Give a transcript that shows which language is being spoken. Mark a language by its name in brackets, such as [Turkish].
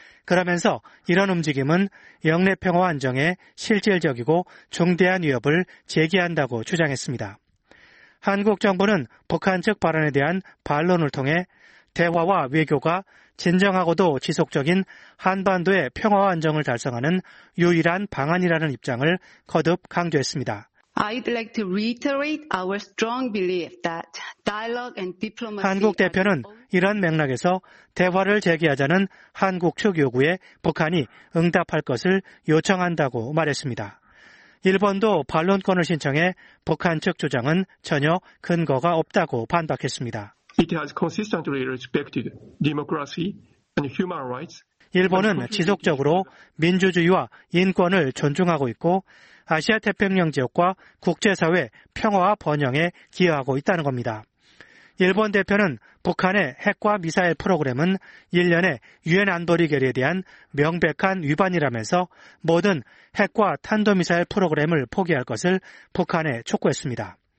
[Korean] 그러면서 이런 움직임은 역내 평화 안정에 실질적이고 중대한 위협을 제기한다고 주장했습니다. 한국 정부는 북한 측 발언에 대한 반론을 통해 대화와 외교가 진정하고도 지속적인 한반도의 평화와 안정을 달성하는 유일한 방안이라는 입장을 거듭 강조했습니다. [English] I'd like to reiterate our strong belief that dialogue and diplomacy. [Korean] 한국 대표는 이런 맥락에서 대화를 재개하자는 한국 측 요구에 북한이 응답할 것을 요청한다고 말했습니다. 일본도 반론권을 신청해 북한 측 주장은 전혀 근거가 없다고 반박했습니다. [English] It has consistently respected democracy and human rights. [Korean] 일본은 지속적으로 민주주의와 인권을 존중하고 있고 아시아 태평양 지역과 국제사회 평화와 번영에 기여하고 있다는 겁니다. 일본 대표는 북한의 핵과 미사일 프로그램은 일련의 유엔 안보리 결의에 대한 명백한 위반이라면서 모든 핵과 탄도미사일 프로그램을 포기할 것을 북한에 촉구했습니다.